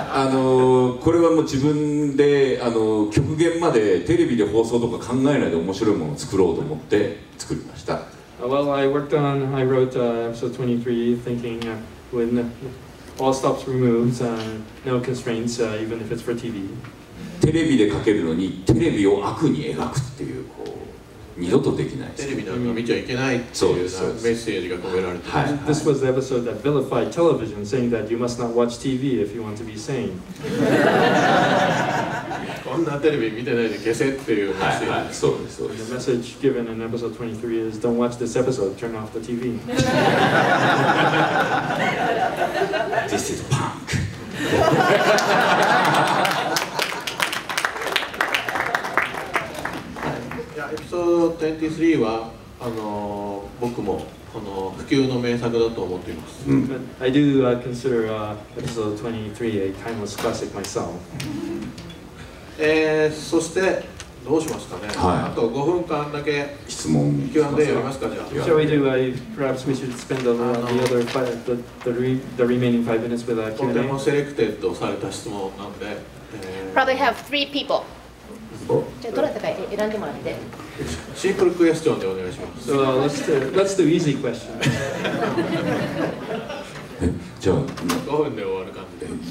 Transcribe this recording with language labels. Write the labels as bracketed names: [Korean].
[Japanese] これはもう自分で極限までテレビで放送とか考えないで面白いものを作ろうと思って作りました。 [English] Well, I wrote episode 23 thinking when all stops removed, no constraints, even if it's for TV. [Japanese] テレビで描けるのにテレビを悪に描くってい う, こう二度とできないテレビなんか見ちゃいけないっていうメッセージが込められてます、はいはい、 [English] This was the episode that vilified television saying that you must not watch TV if you want to be sane [Japanese] こんなテレビ見てないで消せっていうメッセージ、はいはい、そうですそうです [English] The message given in episode 23 is don't watch this episode, turn off the TV This is punk [Japanese] エピソード23は僕もこの不朽の名作だと思っています。 [English] I do consider episode 23 a timeless classic myself. [Japanese] そしてどうしますかね。はい、あと5分間だけ質問 Q&A でやりますかじゃあ。 [English] Shall we do? Perhaps we should spend the other five, the remaining 5 minutes with Q&A. [Japanese] とてもセレクテッドされた質問なんで。 [English] Probably have three people. [Japanese] じゃあどれだか選んでもらってシンプルクエスチョンでお願いします。 [English] So, let's do easy question. [Japanese] じゃあ 5分で終わる感じで